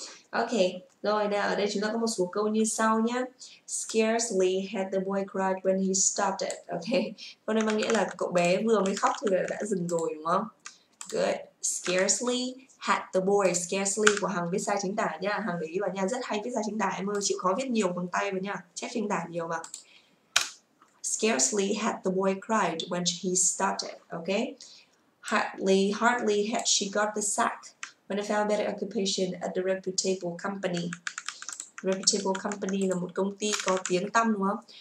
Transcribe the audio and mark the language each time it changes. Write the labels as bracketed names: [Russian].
[Vietnamese] Ok, rồi nào ở đây chúng ta có một số câu như sau nhé. [English] Scarcely had the boy cried when he stopped it. [Vietnamese] Ok, câu này mang nghĩa là cậu bé vừa mới khóc thì đã dừng rồi đúng không? Good. [English] Scarcely had the boy. [Vietnamese] Scarcely của Hằng viết sai chính tả nhá. Hằng để ý vào nha, rất hay viết sai chính tả. Em ơi, chịu khó viết nhiều bằng tay vào nha. Chép chính tả nhiều mà. [English] Scarcely had the boy cried when he stopped it. Ok. Hardly had she got the sack when I found better occupation at the reputable company. [Vietnamese] Reputable company là một công ty có tiếng tăm đúng không?